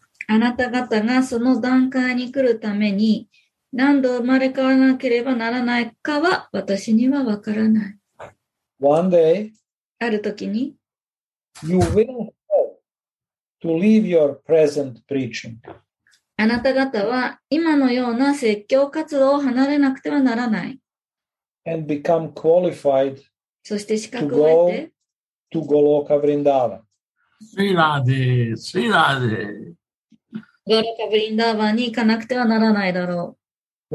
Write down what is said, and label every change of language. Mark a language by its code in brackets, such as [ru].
[ja] あなた方がその段階に来るために何度生まれ変わらなければならないかは私にはわからない。 [en] One day, [ja] ある時に、 [en] you will have to leave your present preaching. [ja] あなた方は今のような説教活動を離れなくてはならない。 [en] And become qualified [ja] そして資格を得て、 [en] to go to Goloka Vrindavan. スリラーデー、スリラーデー。 [ja] ゴロカ・ブリンダーバンに行かなくてはならないだろう。